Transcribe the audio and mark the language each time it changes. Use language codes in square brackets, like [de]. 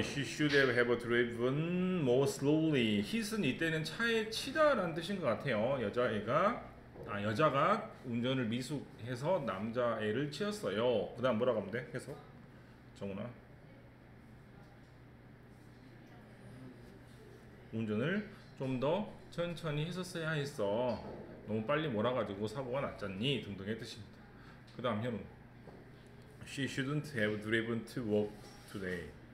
[en] She should have driven more slowly. [ko] Hit은 이때는 차에 치다라는 뜻인 것 같아요. 여자가 운전을 미숙해서 남자애를 치었어요. 그 다음 뭐라고 하면 돼? 해석? 정훈아. 운전을 좀 더 천천히 했었어야 했어. 너무 빨리 몰아가지고 사고가 났잖니? 등등의 뜻입니다. 그 다음 현우. [en] She shouldn't have driven to work today.